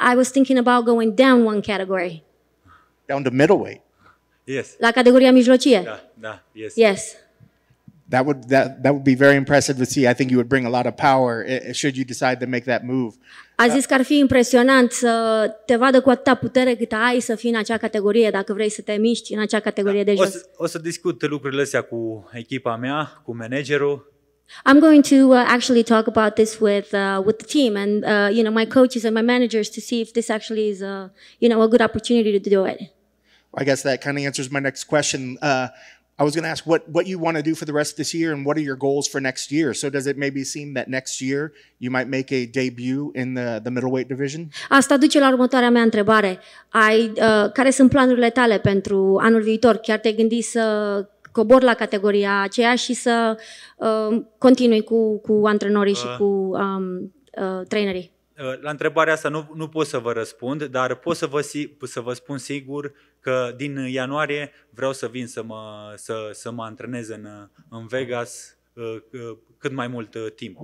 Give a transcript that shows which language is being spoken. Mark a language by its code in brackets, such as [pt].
[en] I was thinking about going down one category. Down to middleweight. Yes. [ro] La categoria mijlocie. Da, [en] yes. Yes. That would be very impressive to see. I think you would bring a lot of power should you decide to make that move. [ro] A zis că ar fi impresionant să te vadă cu atâta putere cât ai să fii în acea categorie, dacă vrei să te miști în acea categorie de jos. O să discut lucrurile astea cu echipa mea, cu managerul. [en] I'm going to actually talk about this with the team and you know, my coaches and my managers to see if this actually is a good opportunity to do it. I guess that kind of answers my next question. I was going to ask what you want to do for the rest of this year and what are your goals for next year. So does it maybe seem that next year you might make a debut in the middleweight division? [ro] Asta duce la următoarea mea întrebare. Care sunt planurile tale pentru anul viitor? Chiar te-ai gândit să cobori la categoria aceea și să continui cu antrenorii și cu trainerii? La întrebarea asta nu pot să vă răspund, dar pot să vă spun sigur că din ianuarie vreau să vin să mă antrenez în Vegas cât mai mult timp.